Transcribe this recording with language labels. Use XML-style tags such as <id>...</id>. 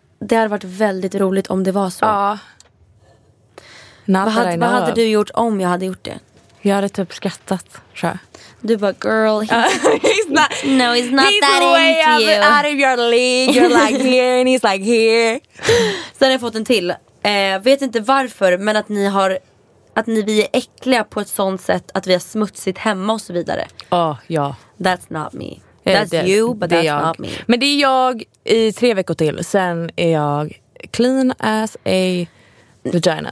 <sv>Det hade varit väldigt roligt om det var så. Ja. Vad hade du gjort om jag hade gjort det? Jag hade typ skrattat, tror jag. Du bara,</sv> <en>girl, he's not that into you. He's way out of your league. You're like here and he's like here.</en> <sv>Sen har jag fått en till. Vet inte varför, men att ni har att ni vi är äckliga på ett sånt sätt att vi har smutsigt hemma och så vidare. Ja, oh, ja.</sv> <en>That's not me. That's you, but that's not me.</en> <sv>Men det är jag i 3 veckor till. Sen är jag</sv> <en>clean as a vagina.</en>